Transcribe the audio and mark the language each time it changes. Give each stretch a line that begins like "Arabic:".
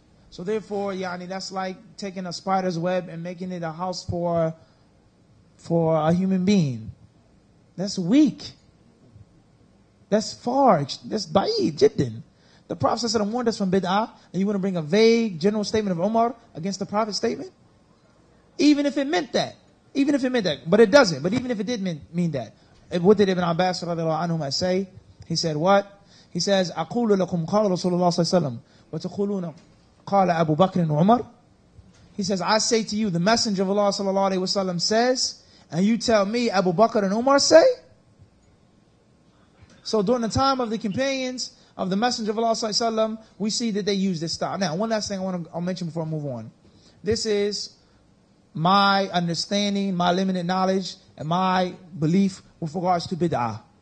English: So therefore, yani, that's like taking a spider's web and making it a house for a human being. That's weak. That's far. That's ba'id, jiddin. The Prophet said, I warned us from bid'ah, and you want to bring a vague, general statement of Umar against the Prophet's statement? Even if it meant that. Even if it meant that. But it doesn't. But even if it did mean that. What did Ibn Abbas radiallahu anhu say? He said what? He says,
Arabic: أَقُولُ لَكُمْ قَالَ رَسُولُ اللَّهِ صَلَّى اللَّهُ عَلَيْهِ وَسَلَّمَ وَتَقُولُونَ قَالَ أَبُو بَكْرٍ وَعُمَرٍ.
English: He says, I say to you, the Messenger of Allah sallallahu alayhi wa sallam says, and you tell me Abu Bakr and Umar say? So during the time of the companions of the Messenger of Allah sallallahu alaihi wasallam, we see that they use this style. Now, one last thing I'll mention before I move on. This is my understanding, my limited knowledge, and my belief with regards to bid'ah.